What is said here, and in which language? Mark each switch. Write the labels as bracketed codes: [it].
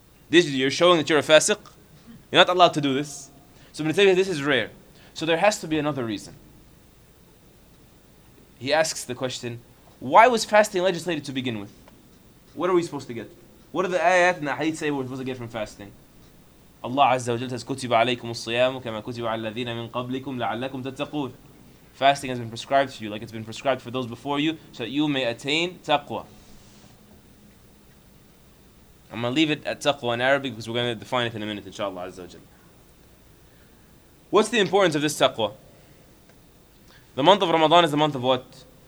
[en] This, you're showing that you're a fasiq. You're not allowed to do this. So Ibn Taymiyyah, this is rare. So there has to be another reason. He asks the question, why was fasting legislated to begin with? What are we supposed to get? What do the ayat and the hadith say we're supposed to get from fasting? [ar] Allah Azza wa Jalla says, كُتِبَ عَلَيْكُمُ الصِّيَامُ كَمَا كُتِبَ عَلَى الَّذِينَ مِنْ قَبْلِكُمْ لَعَلَّكُمْ تَتَّقُونَ. [en] Fasting has been prescribed to you, like it's been prescribed for those before you, so that you may attain taqwa. I'm going to leave it at taqwa in Arabic, because we're going to define it in a minute, inshallah, azza wa jalla. What's the importance of this taqwa? The month of Ramadan is the month of what?